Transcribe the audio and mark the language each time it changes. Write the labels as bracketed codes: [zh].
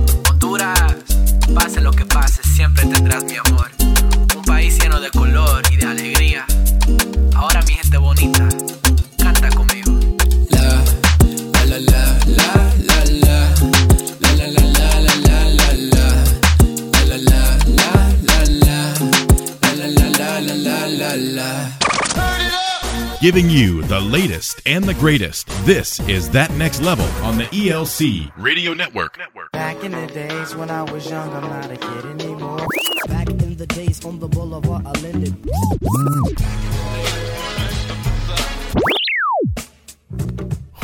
[es] Honduras, pase lo que pase, siempre tendrás mi amor. Un país lleno de color y de alegría. Ahora mi gente bonita, canta conmigo. La la la la la la la la la la la la la la la la la la la la la la la la la la la la la. [en] Giving you the latest and the greatest. This is That Next Level on the ELC Radio Network. Back in the days when I was young, I'm not a kid anymore. Back in the days on the boulevard, I landed. Back in the days.